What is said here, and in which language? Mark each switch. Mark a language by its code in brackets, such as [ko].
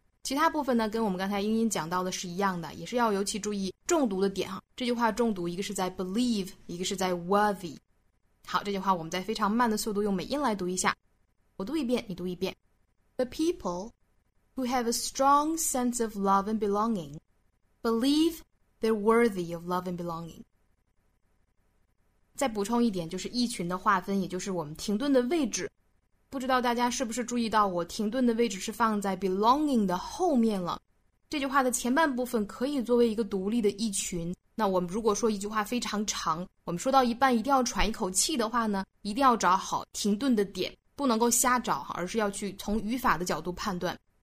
[zh] 其他部分呢跟我们刚才英英讲到的是一样的，也是要尤其注意重读的点。这句话重读一个是在 believe， 一个是在 worthy。好，这句话我们在非常慢的速度用美音来读一下，我读一遍你读一遍。 [en] The people who have a strong sense of love and belongingBelieve they're worthy of love and belonging. [zh] 再补充一点，就是意群的划分，也就是我们停顿的位置。不知道大家是不是注意到，我停顿的位置是放在 belonging 的后面了。这句话的前半部分可以作为一个独立的意群。那我们如果说一句话非常长，我们说到一半一定要喘一口气的话呢，一定要找好停顿的点，不能够瞎找，而是要去从语法的角度判断。